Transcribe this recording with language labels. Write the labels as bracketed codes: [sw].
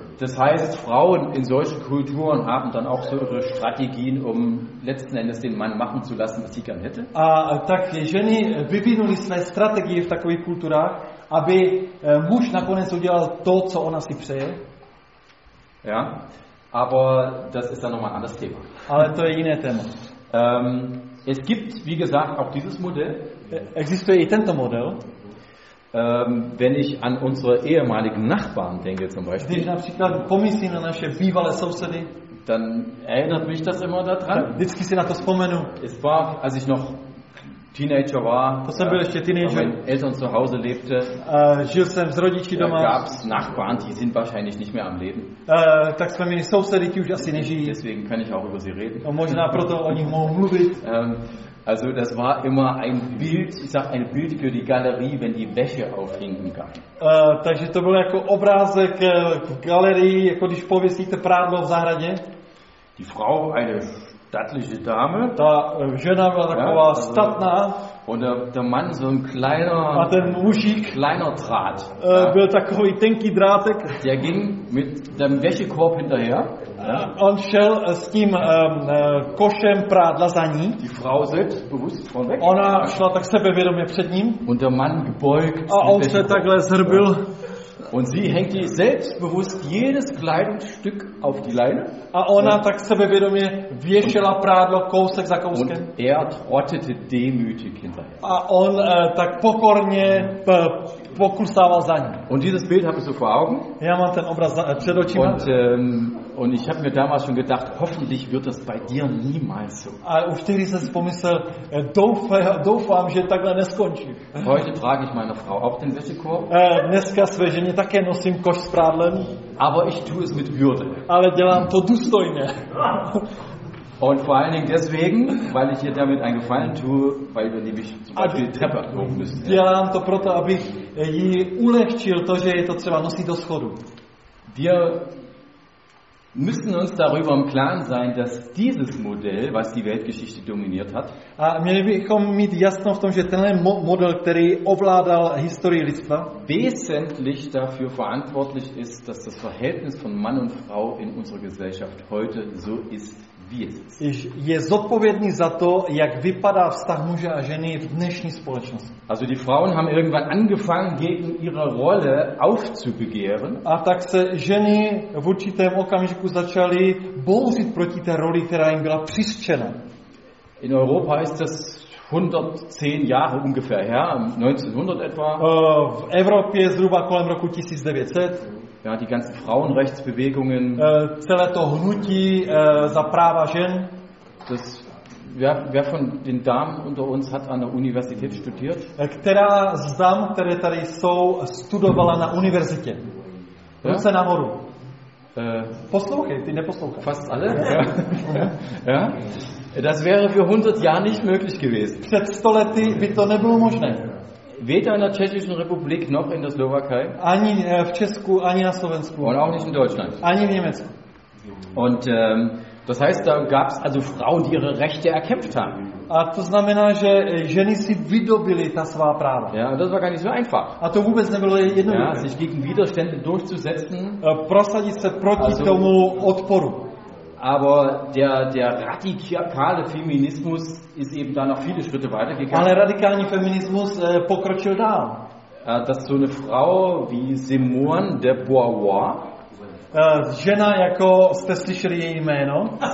[de] Das heißt, Frauen in solchen Kulturen haben dann auch so ihre Strategien, um letzten Endes den Mann machen zu lassen, was sie gern hätte. [cs] A tak ženy vyvinuli své strategie v takových kulturách, aby muž nakonec udělal to, co ona si přeje. [de] Ja, aber das ist dann nochmal anderes Thema. [cs] Ale to je jiné téma. [de] Es gibt, wie gesagt, auch dieses Modell. [cs] Existuje i tento model. [de] Wenn ich an unsere ehemaligen Nachbarn denke, zum Beispiel. [cs] Když například pomyslím na naše bývalé sousedy. [de] dann erinnert mich das immer daran. [cs] Vždycky si na to vzpomenu. [de] Es war, als ich noch Teenager war, mein Eltern zu Hause lebte, [cs] žil jsem s rodiči doma, [de] gab's Nachbarn, die sind wahrscheinlich nicht mehr am Leben. [cs] Tak jsme měli sousedy, ti už asi nežijí. [de] Deswegen kann ich auch über sie reden. [cs] A možná proto o nich mohu mluvit. [de] Also das war immer ein Bild, ich sag ein Bild für die Galerie, wenn die Wäsche aufhing im Gang. [cs] Takže to byl jako obrázek v galerii, jako když pověsíte prádlo v zahradě. [de] Die Frau, eine stattliche Dame. [cs] Ta žena byla taková statná. [de] Und der Mann so ein kleiner, [cs] a ten mužík, [de] kleiner Draht. [cs] Byl takový tenký drátek. [de] Der ging mit dem Wäschekorb hinterher. [cs] On šel s tím košem prádla za ní. [de] Die Frau selbst bewusst von weg. [cs] Ona šla tak sebevědomě před ním. [de] Und der Mann gebeugt. [cs] A on se takhle zhrbil. [de] Und sie hängt selbstbewusst jedes Kleidungsstück auf die Leine. [cs] A ona tak sebevědomě věšela prádlo kousek za kouskem. [de] Und er trottete demütig hinterher. [cs] A on tak pokorně poklusával za ní. [de] Und dieses Bild habe ich so vor Augen. [cs] Ja, mám ten obraz před očima. [de] Und ich habe mir damals schon gedacht, hoffentlich wird das bei dir niemals so. [cs] A už tehdy jsem si pomyslel, doufám, že takhle neskončí. [de] Heute trage ich meine Frau auf den Wäschekorb. [cs] Dneska své ženě také nosím koš s prádlem. [de] Aber ich tue es mit Würde. [cs] Ale dělám to důstojně. [de] Und vor allen Dingen deswegen, weil ich ihr damit einen Gefallen tue, weil wir nämlich zum Beispiel die Treppe hoch müssen. [cs] Dělám to proto, abych jí ulehčil to, že je to třeba nosit do schodu. [de] Wir müssen uns darüber im Klaren sein, dass dieses Modell, was die Weltgeschichte dominiert hat, [cs] a měli bychom mít jasno v tom, že tenhle model, který ovládal historii lidstva, [de] wesentlich dafür verantwortlich ist, dass das Verhältnis von Mann und Frau in unserer Gesellschaft heute so ist, wie es ist. [cs] Je zodpovědný za to, jak vypadá vztah muže a ženy v dnešní společnosti. [de] Also die Frauen haben irgendwann angefangen, gegen ihre Rolle aufzubegehren. [cs] A tak se ženy v určitém okamžiku začaly bouřit proti té roli, která jim byla přisčena. [de] In Europa ist das 110 Jahre ungefähr her, 1900 etwa. [cs] V Evropě zhruba kolem roku 1900. [de] Ja, die ganzen Frauenrechtsbewegungen. [cs] Celé to hnutí za práva žen. [de] Das, wer von den Damen unter uns hat an der Universität studiert? [cs] Která z dam, které tady jsou, studovala na univerzitě? Ruce nahoru. Poslouchej, ty neposlouchej. [de] Fast alle. Ja. Das wäre für 100 Jahre nicht möglich gewesen. [cs] Před 100 lety by to nebylo možné. [de] Weder in der Tschechischen Republik noch in der Slowakei. [cs] Ani v Česku, ani na Slovensku. [de] Und auch nicht in Deutschland. [cs] Ani v Německu. [de] Und das heißt, da gab es also Frauen, die ihre Rechte erkämpft haben. [cs] A to znamená, že ženy si vydobily ta svá práva. [de] Ja, das war gar nicht so einfach. [cs] A to vůbec nebylo jednoduché. [de] Ja, sich gegen Widerstände durchzusetzen. [cs] Prosadit se proti also, tomu odporu. [de] Aber der radikale Feminismus ist eben da noch viele Schritte weiter gegangen. [cs] Ale radikální feminismus pokročil dál. [de] Dass so eine Frau wie Simone de Beauvoir, [cs] žena jako jste slyšeli její jméno,